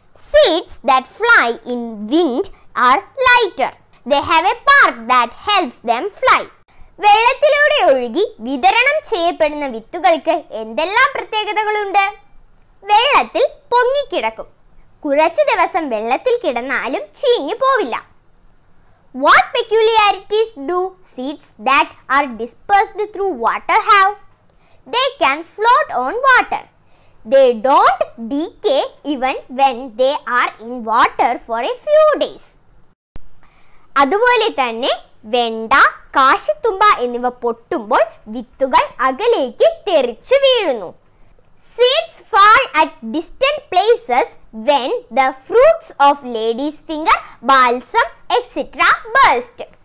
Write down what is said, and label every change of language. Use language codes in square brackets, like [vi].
[en] Seeds that fly in wind are lighter. They have a part that helps them fly. [ml] വെള്ളത്തിലൂടെ ഒഴുകി വിതരണം ചെയ്യപ്പെടുന്ന വിത്തുകൾക്ക് എന്തെല്ലാം പ്രത്യേകതകളുണ്ട്? വെള്ളത്തിൽ പൊങ്ങിക്കിടക്കും. കുറച്ചു ദിവസം വെള്ളത്തിൽ കിടന്നാലും ചീഞ്ഞു പോവില്ല. [en] What peculiarities do seeds that are dispersed through water have? They can float on water. They don't decay even when they are in water for a few days. [ml] അതുപോലെ തന്നെ വെണ്ട, കാശിത്തുമ്പ എന്നിവ പൊട്ടുമ്പോൾ വിത്തുകൾ അകലേക്ക് തെറിച്ചു വീഴുന്നു. [en] Seeds fall at distant places when the fruits of ladies finger, balsam etcetera burst.